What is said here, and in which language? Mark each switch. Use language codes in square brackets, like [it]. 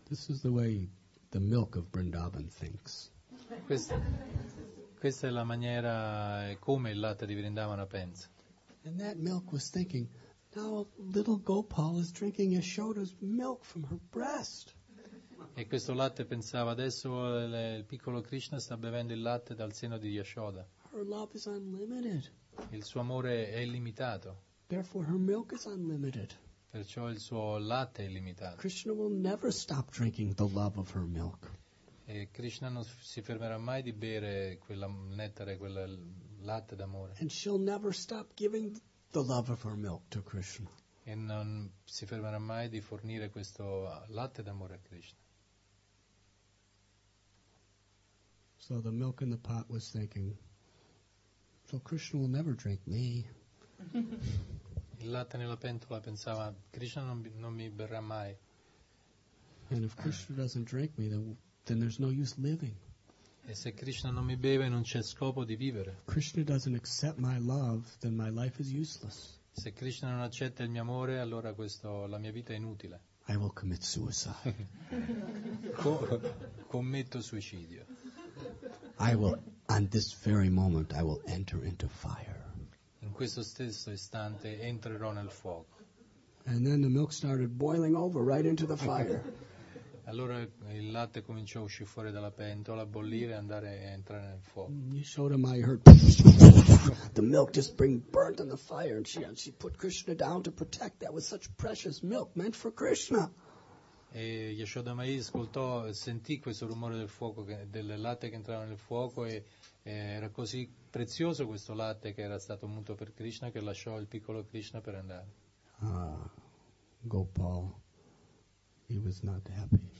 [en] This is the way the milk of Vrindavan thinks. [it] Questa è la maniera come il latte di Vrindavana pensa. [en] And that milk was thinking, now little Gopal is drinking Yashoda's milk from her breast. [it] E questo latte pensava, adesso il piccolo Krishna sta bevendo il latte dal seno di Yashoda. [en] Her love is unlimited. [it] Il suo amore è illimitato. [en] Therefore her milk is unlimited. [it] Perciò il suo latte è illimitato. [en] Krishna will never stop drinking the love of her milk. [it] E Krishna non si fermerà mai di bere quella nettare, quel latte d'amore. [en] And she'll never stop giving the love of her milk to Krishna. [it] E non si fermerà mai di fornire questo latte d'amore a Krishna. [en] So the milk in the pot was thinking, so Krishna will never drink me. [it] Il latte nella pentola pensava, Krishna non mi berrà mai. [en] And if Krishna doesn't drink me, then there's no use living. [it] E se Krishna non mi beve, non c'è scopo di vivere. [en] Krishna doesn't accept my love, then my life is useless. [it] Se Krishna non accetta il mio amore, allora la mia vita è inutile. [en] I will commit suicide. [it] Commetto suicidio. [en] I will, on this very moment, I will enter into fire. [it] In questo stesso istante entrerò nel fuoco. [en] And then the milk started boiling over right into the fire. [it] Allora il latte cominciò a uscire fuori dalla pentola, a bollire e andare a entrare nel fuoco. [en] Yashoda Mai heard the milk just being burnt on the fire and she put Krishna down to protect. That was such precious milk meant for Krishna. [it] E Yashoda Mai ascoltò, sentì questo rumore del fuoco, del latte che entrava nel fuoco, e era così prezioso questo latte che era stato muto per Krishna che lasciò il piccolo Krishna per andare. [en] Gopal He was not happy.